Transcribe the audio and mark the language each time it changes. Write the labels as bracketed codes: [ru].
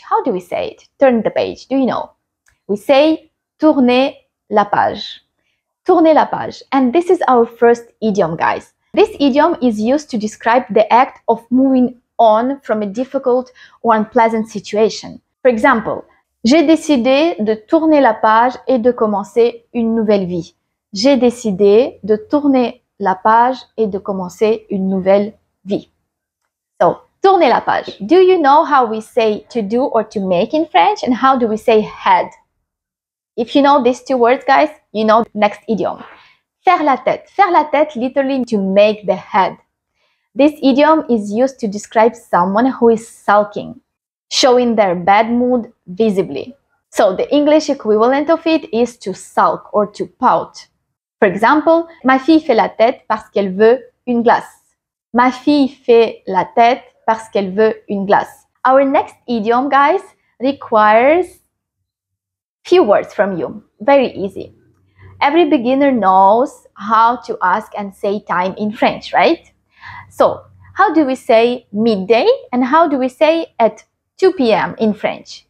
[en] How do we say it? Turn the page. Do you know? We say, [fr] tourner la page. Tourner la page. [en] And this is our first idiom, guys. This idiom is used to describe the act of moving on from a difficult or unpleasant situation. For example, [fr] j'ai décidé de tourner la page et de commencer une nouvelle vie. J'ai décidé de tourner la page et de commencer une nouvelle vie. So, tourner la page. [en] Do you know how we say to do or to make in French? And how do we say head? If you know these two words, guys, you know the next idiom. [fr] Faire la tête. [en] Faire la tête literally to make the head. This idiom is used to describe someone who is sulking, showing their bad mood visibly. So the English equivalent of it is to sulk or to pout. For example, [fr] ma fille fait la tête parce qu'elle veut une glace. Ma fille fait la tête parce qu'elle veut une glace. [en] Our next idiom, guys, requires few words from you. Very easy. Every beginner knows how to ask and say time in French, right? So how do we say midday and how do we say at 2 p.m. in French.